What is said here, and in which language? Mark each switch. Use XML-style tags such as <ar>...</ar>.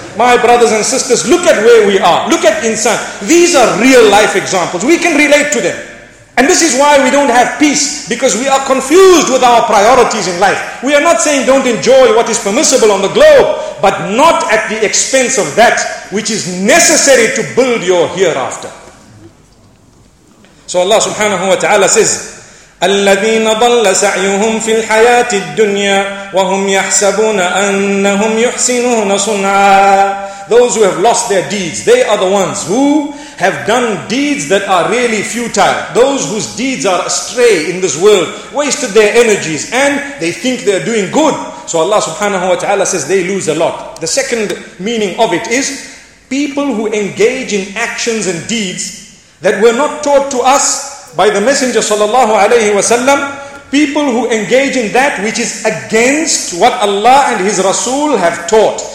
<en>My brothers and sisters, look at where we are. Look at insan. These are real life examples. We can relate to them. And this is why we don't have peace, because we are confused with our priorities in life. We are not saying don't enjoy what is permissible on the globe, but not at the expense of that which is necessary to build your hereafter. So Allah subhanahu wa ta'ala says,</en> <ar>الذين ضل سعيهم في الحياة الدنيا وهم يحسبون أنهم يحسنون صنعا.</ar> <en>Those who have lost their deeds, they are the ones who have done deeds that are really futile. Those whose deeds are astray in this world, wasted their energies, and they think they are doing good. So Allah subhanahu wa ta'ala says they lose a lot. The second meaning of it is people who engage in actions and deeds that were not taught to us by the Messenger sallallahu alayhi wa sallam, people who engage in that which is against what Allah and His Rasul have taught.</en>